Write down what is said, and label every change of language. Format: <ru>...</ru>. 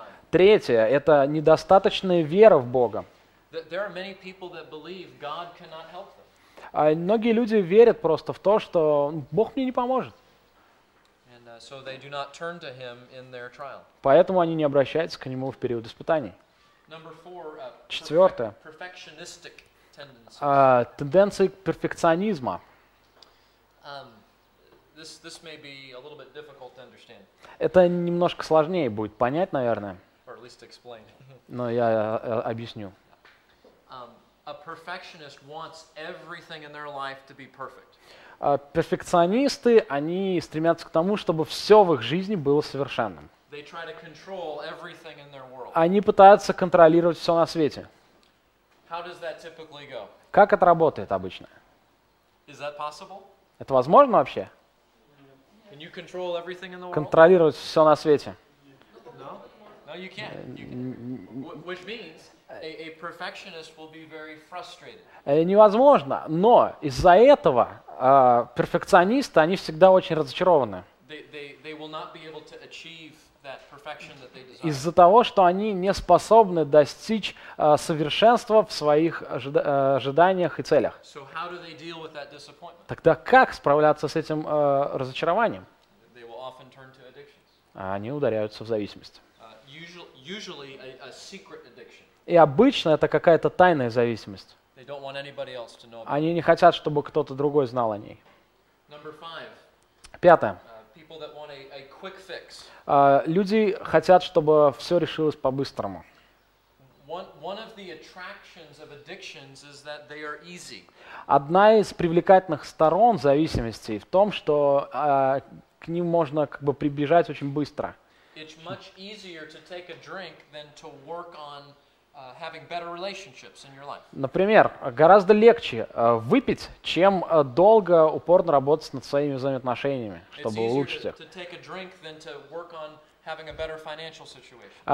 <ru>Третье – это недостаточная вера в Бога. Многие люди верят просто в то, что Бог мне не поможет.</ru> <en>So they do not turn to him in their trial.</en> <ru>Поэтому они не обращаются к нему в период испытаний.</ru> <en>Number four,</en> <ru>четвертое.</ru> <en>Perfectionistic tendency.</en> <ru>Тенденции к перфекционизму.</ru> <en>this may be a little bit difficult to understand.</en> <ru>Это немножко сложнее будет понять, наверное.</ru> <en>Or at least explain.</en> <ru>Но я объясню.</ru> <en>A perfectionist wants everything in their life to be perfect.</en> <ru>Перфекционисты, они стремятся к тому, чтобы все в их жизни было совершенным.</ru> <en>They try to control everything in their world.</en> <ru>Они пытаются контролировать все на свете.</ru> <en>How does that typically go?</en> <ru>Как это работает обычно?</ru> <en>Is that possible?</en> <ru>Это возможно вообще?</ru> <en>Can you control everything in the world?</en> <ru>Контролировать все на свете?</ru> <en>No, no, you can't. Which means a perfectionist will be very frustrated.</en> <ru>Невозможно, но из-за этого перфекционисты, они всегда очень разочарованы.</ru> <en>They will not be able to achieve that perfection that they desire.</en> <ru>Из-за того, что они не способны достичь совершенства в своих ожиданиях и целях.</ru> <en>So how do they deal with that disappointment?</en> <ru>Тогда как справляться с этим разочарованием?</ru> <en>They will often turn to addictions.</en> <ru>Они ударяются в зависимость.</ru> <en>Usually a secret addiction.</en> <ru>И обычно это какая-то тайная зависимость.</ru> <en>They don't want anybody else to know about it.</en> <ru>Они не хотят, чтобы кто-то другой знал о ней.</ru> <en>Number five.</en> <ru>Пятое.</ru> <en>People that want a quick fix.</en> <ru>Люди хотят, чтобы все решилось по-быстрому.</ru> <en>One of the attractions of addictions is that they are easy.</en> <ru>Одна из привлекательных сторон зависимости в том, что к ним можно как бы прибежать очень быстро.</ru> <en>It's much easier to take a drink than to work on having better relationships in your life.</en> <ru>Например, гораздо легче выпить, чем долго упорно работать над своими взаимоотношениями, чтобы улучшить их.</ru> <en>It's easier to take a drink than to work on having a better financial situation.</en>